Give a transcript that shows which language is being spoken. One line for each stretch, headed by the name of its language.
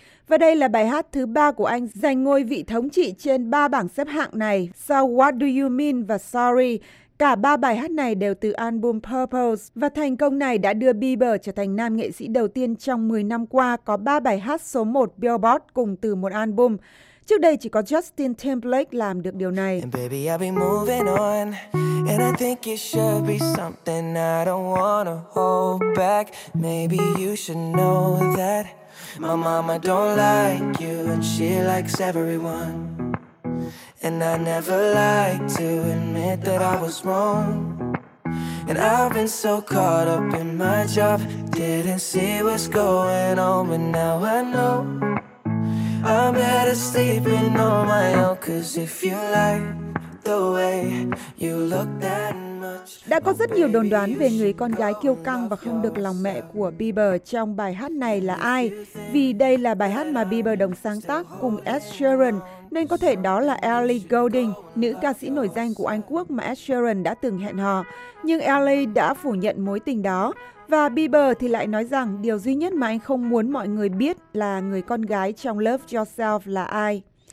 Vietnamese: Và đây là bài hát thứ 3 của anh giành ngôi vị thống trị trên 3 bảng xếp hạng này sau What Do You Mean và Sorry. Cả 3 bài hát này đều từ album Purpose và thành công này đã đưa Bieber trở thành nam nghệ sĩ đầu tiên trong 10 năm qua có 3 bài hát số 1 Billboard cùng từ một album. Trước đây chỉ có Justin Timberlake làm được điều này.
English: And baby I'll be moving on and I think it should be something I don't wanna hold back. Maybe you should know that my mama don't like you and she likes everyone. And I never like to admit that I was wrong. And I've been so caught up in my job, didn't see what's going on, but now I know. I'm better sleeping on my own, 'cause if you like the way you look that much.
Vietnamese: Đã có rất nhiều đồn đoán về người con gái kiêu căng và không được lòng mẹ của Bieber trong bài hát này là ai, vì đây là bài hát mà Bieber đồng sáng tác cùng Ed Sheeran. Nên có thể đó là Ellie Goulding, nữ ca sĩ nổi danh của Anh Quốc mà Ed Sheeran đã từng hẹn hò. Nhưng Ellie đã phủ nhận mối tình đó. Và Bieber thì lại nói rằng điều duy nhất mà anh không muốn mọi người biết là người con gái trong Love Yourself là ai.